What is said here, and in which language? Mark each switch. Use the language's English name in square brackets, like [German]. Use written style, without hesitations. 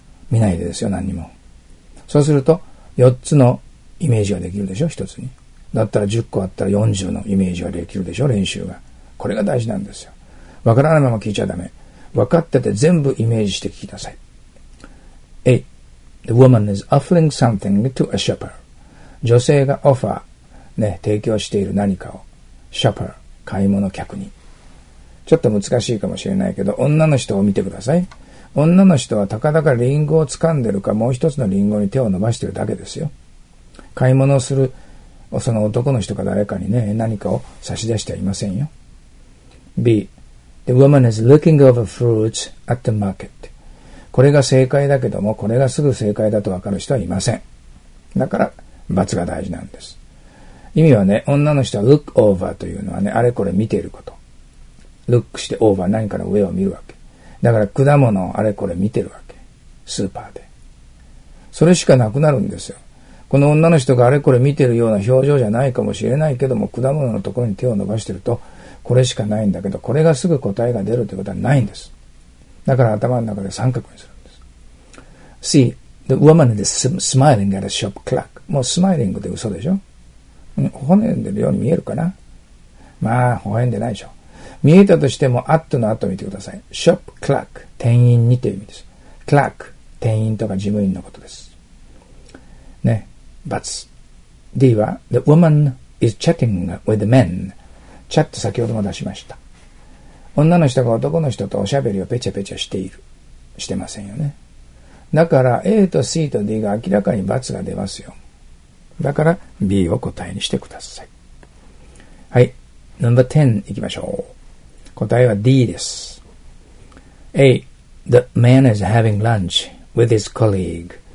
[Japanese] 見ないでですよ、何にも。そうすると、4つのイメージができるでしょ、1つに。だったら10個あったら40のイメージができるでしょ、練習が。これが大事なんですよ。わからないまま聞いちゃダメ。わかってて全部イメージして聞きなさい。 [English] A. The woman is offering something to a shopper. [Japanese] 女性がオファーね、提供している何かを。 shopper 買い物客に。ちょっと難しいかもしれないけど、女の人を見てください。女の人はたかだかリンゴを掴んでるか、もう一つのリンゴに手を伸ばしてるだけですよ。買い物をするその男の人か誰かにね、何かを差し出してはいませんよ。 [English] B. The woman is looking over fruits at the market. [Japanese] これが正解だけども、これがすぐ正解だと分かる人はいません。だから、罰が大事なんです。意味はね、女の人は look over というのはね、あれこれ見ていること。 look して over 何かの上を見るわけ。だから果物をあれこれ見てるわけ。スーパーで。それしかなくなるんですよ。この女の人があれこれ見てるような表情じゃないかもしれないけども、果物のところに手を伸ばしてると、これしかないんだけど、これがすぐ答えが出るということはないんです。だから頭の中で三角にするんです。 [English] C. The woman is smiling at a shop clerk. [Japanese] もうスマイリングで嘘でしょ？微笑んでるように見えるかな？まあ、微笑んでないでしょ。見えたとしても、アットのアットを見てください。 shop clerk 店員にという意味です。clerk 店員とか事務員のことです。ね。×。 [English] D は The woman is chatting with the men. [Japanese] チャット先ほども出しました。女の人が男の人とおしゃべりをペチャペチャしている。してませんよね。だから A と C と D が明らかに罰が出ますよ。だから B を答えにしてください。はい。ナンバー10行きましょう。答えは D です。A. [English] The man is having lunch with his colleague.